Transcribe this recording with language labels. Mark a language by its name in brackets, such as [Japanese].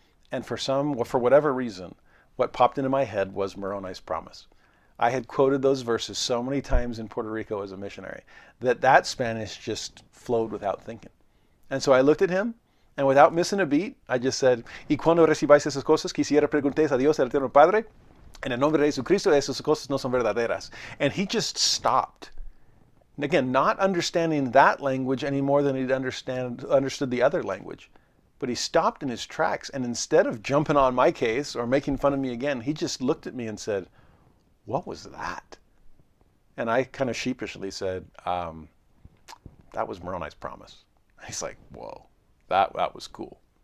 [English] And for whatever reason, what popped into my head was Moroni's promise. I had quoted those verses so many times in Puerto Rico as a missionary that Spanish just flowed without thinking. And so I looked at him. And without missing a beat, I just said, [Spanish] Y cuando recibáis esas cosas, quisiera preguntéis a Dios, al Eterno Padre, en el nombre de Jesucristo, esas cosas no son verdaderas. [English] And he just stopped. And again, not understanding that language any more than he'd understood the other language. But he stopped in his tracks, and instead of jumping on my case or making fun of me again, he just looked at me and said, What was that? And I kind of sheepishly said, that was Moroni's promise. He's like, whoa. That was cool.